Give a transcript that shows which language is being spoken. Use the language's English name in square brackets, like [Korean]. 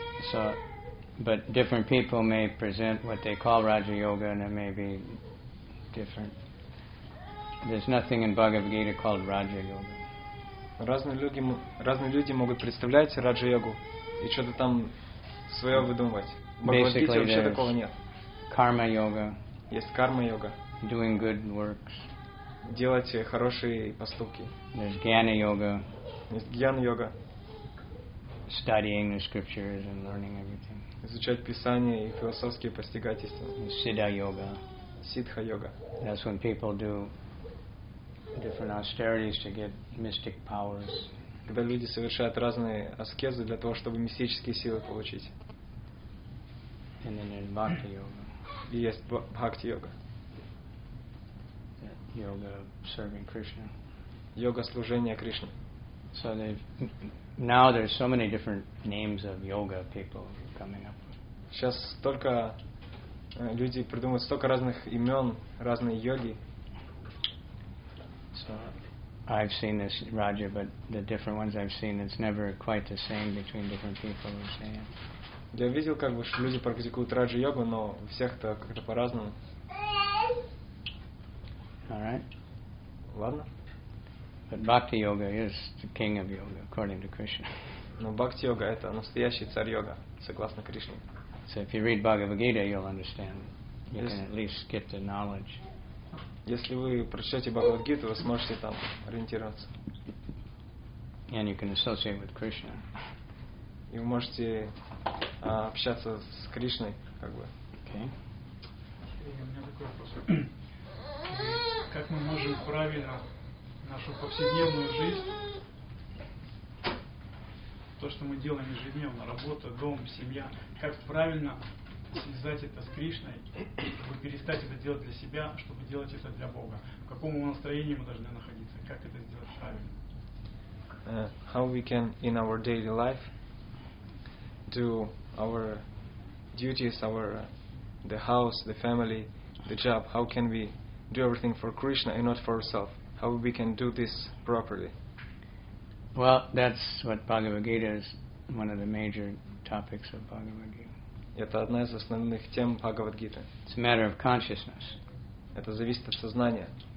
[English] So, but different people may present what they call Raja Yoga, and it may be different. There's nothing in Bhagavad Gita called Raja Yoga. [Russian] Разные люди могут представлять Раджа Йогу и что-то там свое выдумывать. В Бхагавад Гите вообще такого нет. [English] Karma Yoga. [Russian] Есть Karma Yoga. [English] Doing good works. [Russian] Делать хорошие поступки. [English] There's Jnana Yoga. [Russian] Есть Jnana Yoga. [English] Studying the scriptures and learning everything. [Russian] Изучать Писание и философски постигать истину. [English] Siddha Yoga. Siddha Yoga. That's when people do different austerities to get mystic powers. [Russian] Когда люди совершают разные аскезы для того, чтобы мистические силы получить. [English] And then there's Bhakti Yoga. [Russian] И есть Bhakti Yoga. [English] Yoga serving Krishna. [Russian] Йога служения Кришне. [English] So now there's so many different names of yoga people coming up. [Russian] Сейчас столько люди придумывают столько разных имен, разные йоги. [English] So I've seen this Raja, but the different ones I've seen, it's never quite the same between different people. [Russian] Я видел, как бы люди практикуют Раджа йогу, но у всех это как-то по-разному. [English] All right. [Russian] Ладно. [English] But Bhakti Yoga is the king of yoga, according to Krishna. [Russian] Но Бхакти йога это настоящий царь йога, согласно Кришне. [English] So if you read Bhagavad Gita, you'll understand. You can at least get the knowledge. [Russian] Если вы прочтете Бхагавад Гиту, вы сможете там ориентироваться. [English] And you can associate with Krishna. [Russian] И вы можете общаться с Кришной, как бы. [English] Okay. [Russian] Как мы можем правильно нашу повседневную жизнь, то, что мы делаем ежедневно, работа, дом, семья, как правильно связать это с Кришной, чтобы перестать это делать для себя, чтобы делать это для Бога? В каком настроении мы должны находиться? Как это сделать правильно? [English] How we can, in our daily life, do our duties, our the house, the family, the job, how can we do everything for Krishna and not for ourselves. How we can do this properly. Well, that's what Bhagavad Gita is, one of the major topics of Bhagavad Gita. [Russian] Это одна из основных тем Бхагавад Гиты. [English] It's a matter of consciousness. [Russian] Это зависит от сознания.